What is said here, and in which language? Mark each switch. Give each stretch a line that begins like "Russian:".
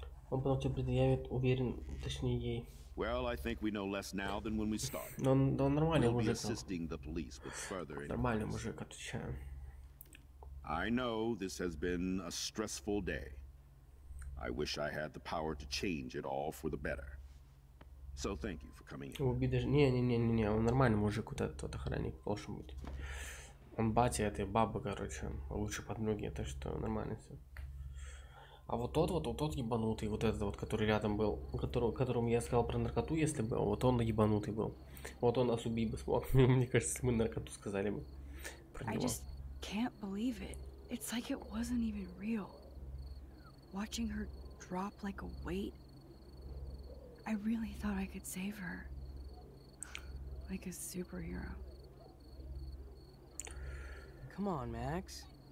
Russian: Он потом тебе предъявит, уверен, точнее ей.
English: Well, I think we know less now than when we started.
Russian: Но нормальный мужик.
English: be assisting the police with further inquiries.
Russian: Нормальный мужик, отвечаю.
English: I know this has been a stressful day. I wish I had the power to change it all for the better. So thank you for coming in.
Russian: Не, он нормальный мужик, вот этот охранник, должен быть. Он батя этой бабы, короче, лучше под ноги, это что, нормально все. А вот тот ебанутый, вот этот вот, который рядом был, которому я сказал про наркоту, если бы, вот он ебанутый был. Вот он нас убить бы смог, мне кажется, мы наркоту сказали бы про него.
English: Can't believe it. It's like it wasn't even real. Watching her drop like a weight. I really thought I could save her. Like a superhero. Come on, Max.